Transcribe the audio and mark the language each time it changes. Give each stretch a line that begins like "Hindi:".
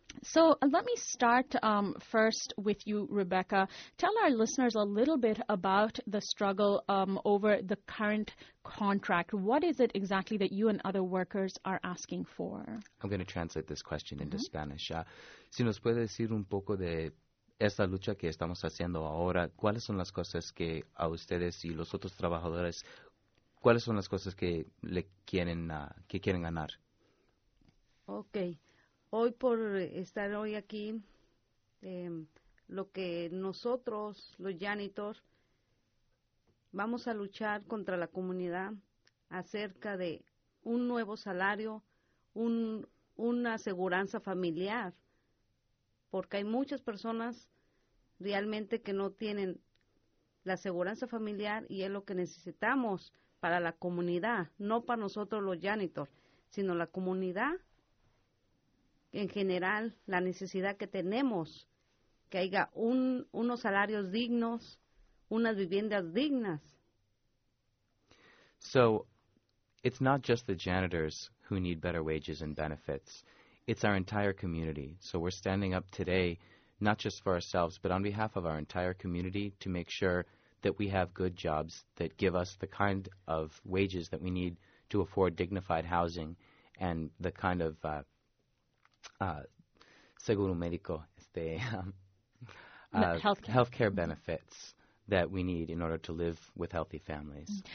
English: So let me start first with you, Rebecca. Tell our listeners a little bit about the struggle over the current contract. What is it exactly that you and other workers are asking for? I'm going to translate this question into Spanish.
Spanish: Si nos puede decir un poco de esta lucha que estamos haciendo ahora, ¿cuáles son las cosas que a ustedes y los otros trabajadores, cuáles son las cosas que le quieren, que quieren ganar? Okay. Hoy por estar hoy aquí, lo que nosotros, los janitors, vamos a luchar contra la comunidad acerca de un nuevo salario, una aseguranza familiar, porque hay muchas personas realmente que no tienen la aseguranza familiar y es lo que necesitamos para la comunidad, no para nosotros los janitors, sino la comunidad en general, la necesidad que tenemos, que haya unos salarios dignos, unas viviendas dignas.
English: So, it's not just the janitors who need better wages and benefits. It's our entire community. So we're standing up today, not just for ourselves, but on behalf of our entire community to make sure that we have good jobs that give us the kind of wages that we need to afford dignified housing and the kind of
Spanish: seguro médico,
English: healthcare benefits that we need in order to live with healthy families.